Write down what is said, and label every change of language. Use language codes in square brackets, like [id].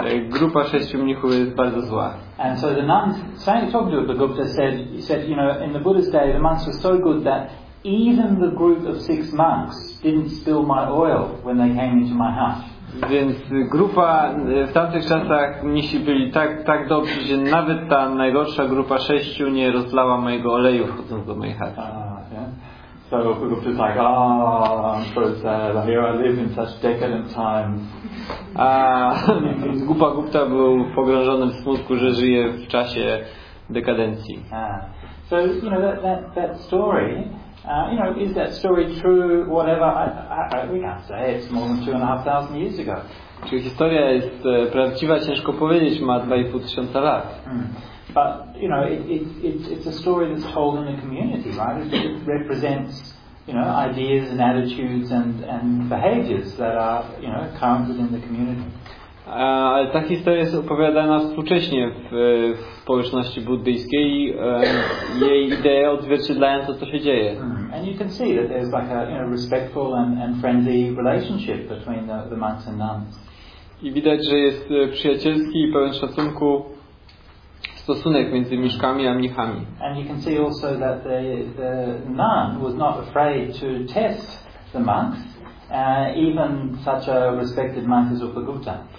[pl] Grupa sześciu mnichów jest bardzo zła. [en] And so the nuns, saying, talking to the Gupta, said, you know, in the Buddha's day, the monks were so good that even the group of six monks didn't spill my oil when they came into my house. [pl] Więc grupa w tamtych czasach mnisi byli tak dobrzy, że nawet ta najgorsza grupa sześciu nie rozlała mojego oleju wchodząc do mojej chaty. [en] So Gupta's like, I'm so sad. Here I live in such decadent times. [pl] A grupa Gupta był pogrążony w smutku, że żyje w czasie dekadencji. [en] So you know that story. You know, is that story true? Whatever we can't say. It's more than 2,500 years ago. [pl] Czy historia jest prawdziwa? Ciężko powiedzieć. Ma 2,500 lat. [en] But you know, it's a story that's told in the community, right? It represents, you know, ideas and attitudes and behaviors that are, you know, current within the community. [pl] Ale ta historia jest opowiadana współcześnie w społeczności buddyjskiej i jej idee odzwierciedlają to, co się dzieje. [en] And you can see that there's like a, you know, respectful and friendly relationship between the monks and nuns. [pl] I widać, że jest przyjacielski i pełen szacunku stosunek między mnichami a mniszkami. [en] And you can see also that the nun was not afraid to test the monks, even such a respected monk as Upagupta.